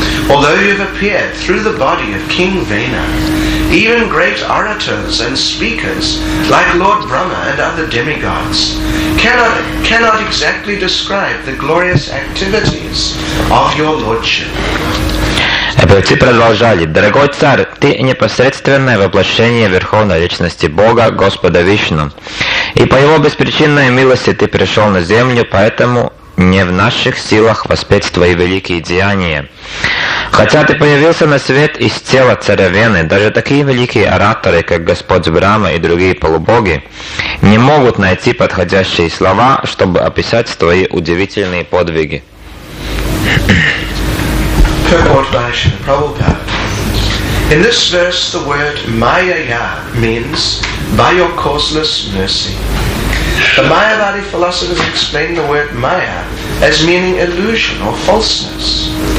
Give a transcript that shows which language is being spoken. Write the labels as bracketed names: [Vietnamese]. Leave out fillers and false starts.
[English] Although you have appeared through the body of King Vena, even great orators and speakers like Lord Brahma and other demigods cannot exactly describe the glorious activities of your lordship." [Russian] Эпилоти продолжали: «Дорогой царь, ты непосредственное воплощение Верховной Личности Бога, Господа Вишну. И по Его беспричинной милости ты пришел на землю, поэтому не в наших силах воспеть твои великие деяния. Хотя ты появился на свет из тела царя Вены, даже такие великие ораторы, как Господь Брама и другие полубоги, не могут найти подходящие слова, чтобы описать твои удивительные подвиги». [English] In this verse, the word Mayaya means "by your causeless mercy." The Mayavadi philosophers explain the word Maya as meaning illusion or falseness.